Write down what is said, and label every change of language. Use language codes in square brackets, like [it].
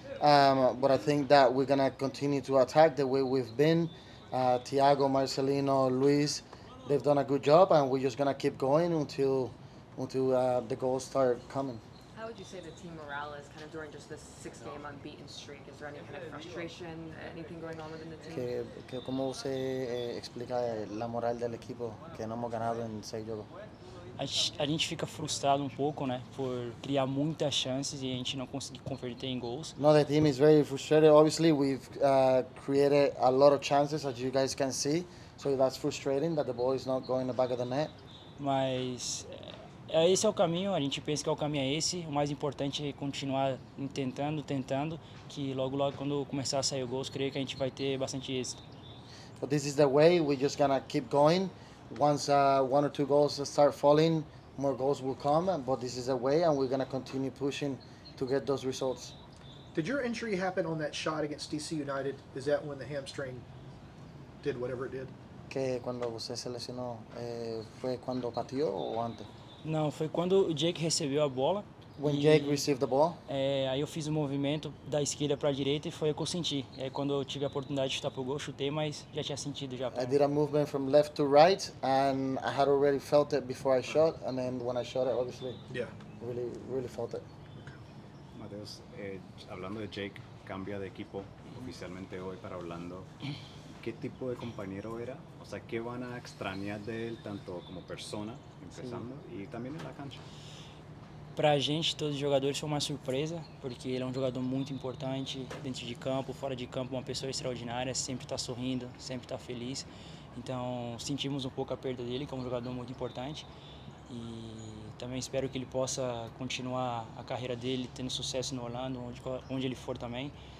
[en] But I think that we're going to continue to attack the way we've been. Thiago, Marcelino, Luis, they've done a good job, and we're just going to keep going until the goals start coming. How would you say the team morale is kind of during just this six-game unbeaten streak? Is there any kind of frustration, anything going on within the team? [es] Que cómo se explica la moral del equipo, que no hemos ganado en seis juegos? [pt] A gente fica frustrado um pouco, né, por criar muitas chances e a gente não conseguir converter em gols. [en] No, the team is very frustrated. Obviously, we've created a lot of chances, as you guys can see. So that's frustrating that the ball is not going in the back of the net. [pt] Mas esse é o caminho. A gente pensa que é o caminho é esse. O mais importante é continuar tentando, que logo, quando começar a sair o gols, creio que a gente vai ter bastante êxito. [en] But this is the way. We're just gonna keep going. Once one or two goals start falling, more goals will come, but this is a way, and we're going to continue pushing to get those results. Did your injury happen on that shot against DC United? Is that when the hamstring did whatever it did? [es] Que cuando [pt] você se lesionou, [es] fue cuando pateó o antes? No, fue cuando Jake recebió la bola. [en] When Jake received the ball? [pt] Aí eu fiz o movimento da esquerda para a direita e foi o que eu senti. Aí quando eu tive a oportunidade de chutar pro gol, chutei, mas já tinha sentido já. [en] I did a movement from left to right and I had already felt it before I shot, and then when I shot it, obviously, yeah, really, really felt it. [es] Matheus, hablando de Jake, cambia de equipo oficialmente hoy para Orlando. ¿Qué tipo de compañero era? O sea, ¿qué van a extrañar de él tanto como persona, empezando, sí, y también en la cancha? [pt] Para a gente, todos os jogadores, foi uma surpresa, porque ele é um jogador muito importante dentro de campo, fora de campo, uma pessoa extraordinária, sempre está sorrindo, sempre está feliz. Então, sentimos um pouco a perda dele, que é um jogador muito importante. E também espero que ele possa continuar a carreira dele, tendo sucesso no Orlando, onde ele for também.